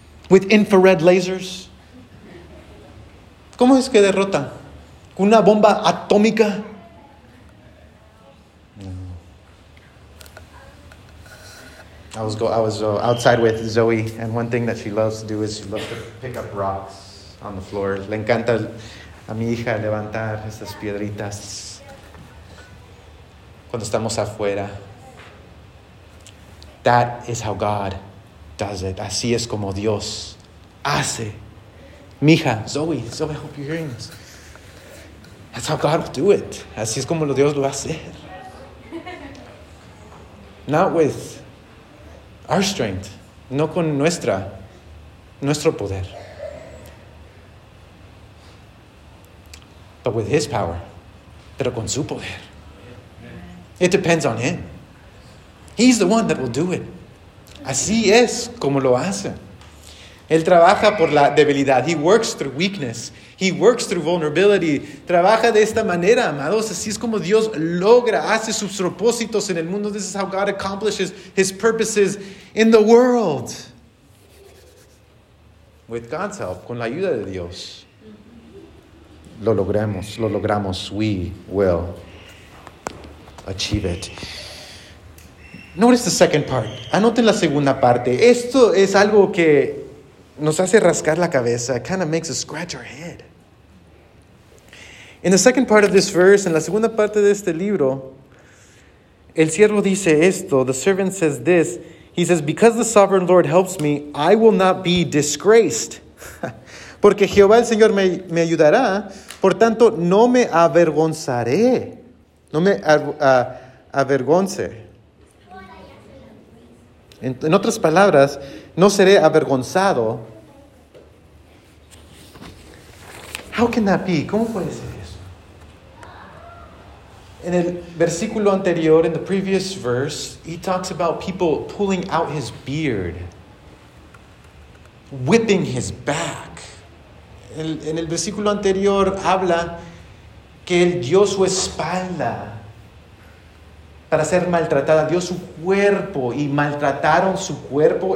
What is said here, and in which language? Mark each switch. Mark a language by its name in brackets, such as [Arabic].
[English] With infrared lasers. [Spanish] ¿Cómo es que derrota? ¿Con una bomba atómica? No. [English] I was outside with Zoe, and one thing that she loves to do is she loves to pick up rocks on the floor. [Spanish] Le encanta a mi hija levantar esas piedritas cuando estamos afuera. [English] That is how God does it. [Spanish] Así es como Dios hace Mija. [English] Zoe, I hope you're hearing this. That's how God will do it. [Spanish] Así es como Dios lo va a hacer. [English] Not with our strength. [Spanish] No con nuestro poder. [English] But with his power. [Spanish] Pero con su poder. [English] It depends on him. He's the one that will do it. [Spanish] Así es como lo hace. Él trabaja por la debilidad. [English] He works through weakness. He works through vulnerability. [Spanish] Trabaja de esta manera, amados. Así es como Dios logra, hace sus propósitos en el mundo. [English] This is how God accomplishes his purposes in the world. With God's help, [Spanish] con la ayuda de Dios. Lo logramos. [English] We will achieve it. Notice the second part. [Spanish] Anoten la segunda parte. Esto es algo que nos hace rascar la cabeza. [English] It kind of makes us scratch our head. In the second part of this verse, [Spanish] en la segunda parte de este libro, el siervo dice esto. [English] The servant says this. He says, because the sovereign Lord helps me, I will not be disgraced. [Spanish] Porque Jehová el Señor me ayudará. Por tanto, no me avergonzaré. No me avergonce. En otras palabras, no seré avergonzado. [English] How can that be? [Spanish] ¿Cómo puede ser eso? En el versículo anterior, [English] in the previous verse, he talks about people pulling out his beard, whipping his back. [Spanish] En el versículo anterior habla que él dio su espalda para ser maltratada, dio su cuerpo y maltrataron su cuerpo.